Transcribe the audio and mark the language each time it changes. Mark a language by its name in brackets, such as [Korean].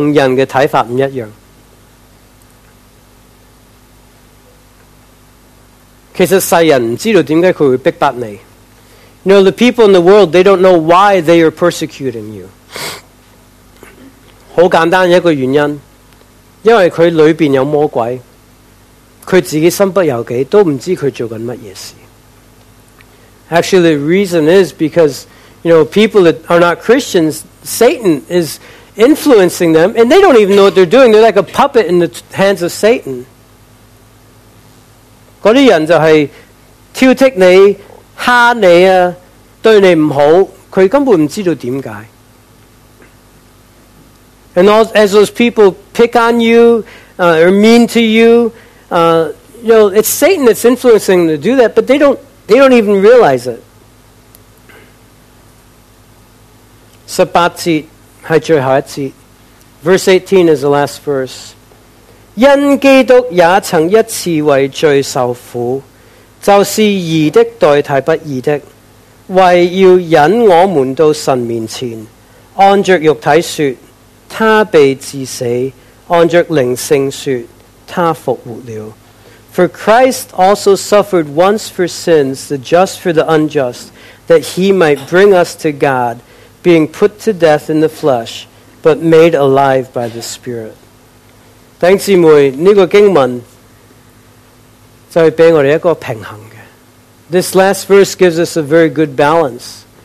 [Chinese] 神的看法和人的看法不一样. 其实世人不知道为什么他会逼迫你. [English] You know, the people in the world, they don't know why they are persecuting you. [Chinese] 很简单的一个原因, 因为他里面有魔鬼, 他自己心不由己, 都不知道他在做什么事. [English] Actually, the reason is because, you know, people that are not Christians, Satan is influencing them, and they don't even know what they're doing. They're like a puppet in the hands of Satan. [Chinese] 那些人就是挑剔你, 哈你啊, 对你不好, 他根本不知道为什么. [English] And all, as those people pick on you, or mean to you, you know, it's Satan that's influencing them to do that, but they don't even realize it. [Chinese] 18节是最后一节. [English] Verse 18 is the last verse. [Chinese] 因基督也曾一次为罪受苦, 就是义的代替不义的, 为要引我们到神面前, 按着肉体说, 他被致死, 按着灵性说, 他复活了. [English] For Christ also suffered once for sins, the just for the unjust, that he might bring us to God, being put to death in the flesh, but made alive by the Spirit. [Chinese] 弟兄姊妹, 这个经文就是给我们一个平衡. [English] This last verse gives us a very good balance.